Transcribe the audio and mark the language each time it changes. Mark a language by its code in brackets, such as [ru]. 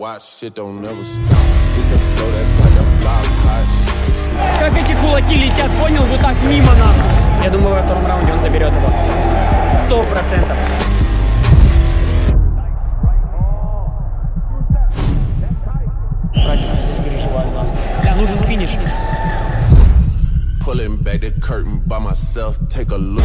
[en] Watch shit don't never stop. It's the flow that got the block hot. [ru] Как эти кулаки летят, понял? Вот так мимо нам. Я думаю, во втором раунде он заберет его. 100%. Братишка, здесь переживаю, ладно. Да, нужен финиш. [en] Pulling back the curtain by myself, take a look.